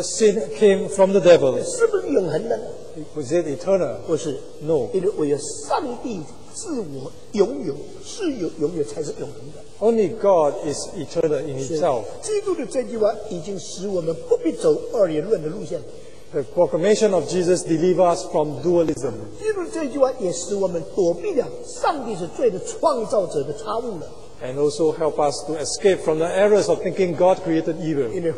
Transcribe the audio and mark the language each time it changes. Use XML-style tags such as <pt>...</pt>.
<en>That sin came from the devil.</en> <zh>是不是永恒的呢?</zh> <en>Was it eternal?</en> <zh>不是。</zh> <en>No.</en> <zh>因为唯有上帝自我拥有，是永远才是永恒的。</zh> <en>Only God is eternal in himself.</en> <zh>基督的这句话已经使我们不必走二元论的路线。</zh> <en>The proclamation of Jesus delivers us from dualism.</en> <zh>基督这句话也使我们躲避了上帝是罪的创造者的差误了。</zh> <en>And also help us to escape from the errors of thinking God created evil.</en>